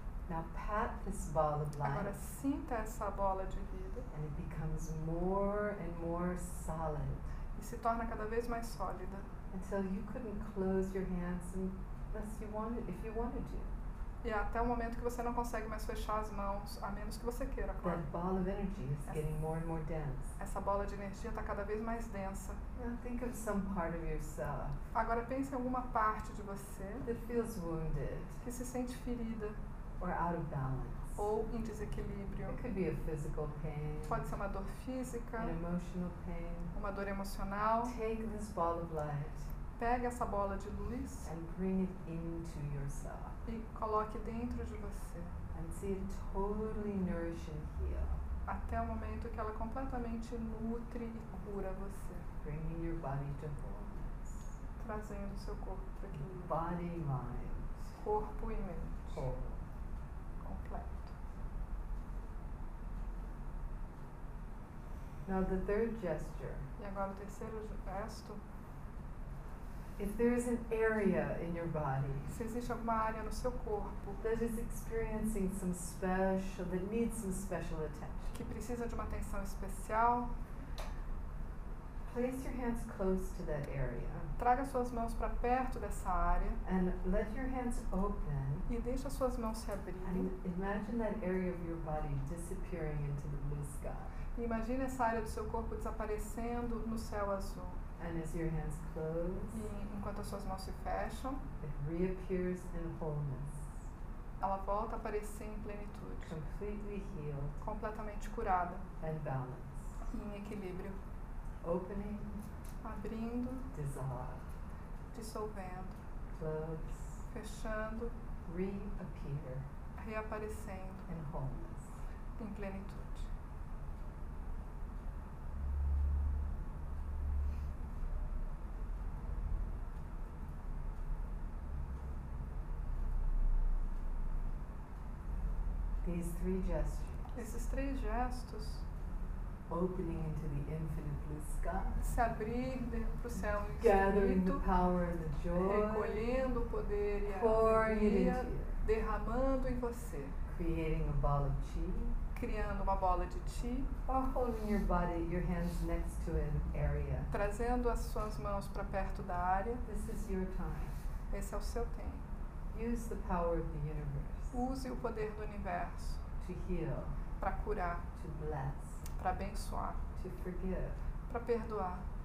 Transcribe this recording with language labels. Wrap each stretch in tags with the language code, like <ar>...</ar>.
<en>Now pat this ball of light.</en> <pt>Agora sinta essa bola de vida.</pt> <en>And it becomes more and more solid.</en> <pt>E se torna cada vez mais sólida.</pt> <en>Until you couldn't close your hands unless you wanted, if you wanted to.</en> <pt>E até o momento que você não consegue mais fechar as mãos, a menos que você queira, claro.</pt> <en>That ball of energy is getting more and more dense.</en> <pt>Essa bola de energia está cada vez mais densa.</pt> <en>Now think of some part of yourself.</en> <pt>Agora pense em alguma parte de você.</pt> <en>That feels wounded.</en> <pt>Que se sente ferida.</pt> <en>Or out of balance.</en> <pt>Ou em desequilíbrio.</pt> <en>It could be a physical pain.</en> <pt>Pode ser uma dor física.</pt> <en>An emotional pain.</en> <pt>Uma dor emocional.</pt> <en>Take this ball of light.</en> <pt>Pegue essa bola de luz.</pt> <en>And bring it into yourself.</en> <pt>E coloque dentro de você.</pt> <en>And see it totally nourish and heal.</en> <pt>Até o momento que ela completamente nutre e cura você.</pt> <en>Bringing your body to wholeness.</en> <pt>Trazendo seu corpo para equilíbrio.</pt> <en>Body, mind.</en> <pt>Corpo e mente.</pt> <en>Whole.</en> <pt>Completo.</pt> <en>Now the third gesture.</en> <pt>E agora o terceiro gesto.</pt> <en>If there is an area in your body,</en> <pt>se existe alguma área no seu corpo</pt> <en>that is experiencing some special, that needs some special attention,</en> <pt>que precisa de uma atenção especial,</pt> <en>place your hands close to that area.</en> <pt>Traga suas mãos para perto dessa área.</pt> <en>And let your hands open.</en> <pt>E deixe as suas mãos se abrirem.</pt> <en>Imagine that area of your body disappearing into the blue sky.</en> <pt>Imagine essa área do seu corpo desaparecendo no céu azul.</pt> <en>And as your hands close,</en> <pt>e enquanto as suas mãos se fecham,</pt> <en>it reappears in wholeness.</en> <pt>Ela volta a aparecer em plenitude.</pt> <en>Completely healed.</en> <pt>Completamente curada.</pt> <en>And balance.</en> <pt>E em equilíbrio.</pt> <en>Opening.</en> <pt>Abrindo.</pt> <en>Dissolve.</en> <pt>Dissolvendo.</pt> <en>Close.</en> <pt>Fechando.</pt> <en>Reappear.</en> <pt>Reaparecendo.</pt> <en>In wholeness.</en> <pt>Em plenitude.</pt> <en>These three gestures.</en> <pt>Esses três gestos.</pt> <en>Opening into the infinite blue sky.</en> <pt>Se abrir para o céu infinito.</pt> <en>Gathering the power and the joy.</en> <pt>Recolhendo o poder e a alegria. Derramando em você.</pt> <en>Creating a ball of chi.</en> <pt>Criando uma bola de chi.</pt> <en>Or holding your body, your hands next to an area.</en> <pt>Trazendo as suas mãos para perto da área.</pt> <en>This is your time.</en> <pt>Esse é o seu tempo.</pt> <en>Use the power of the universe.</en> <pt>Use o poder do universo para curar, para abençoar, para perdoar</pt>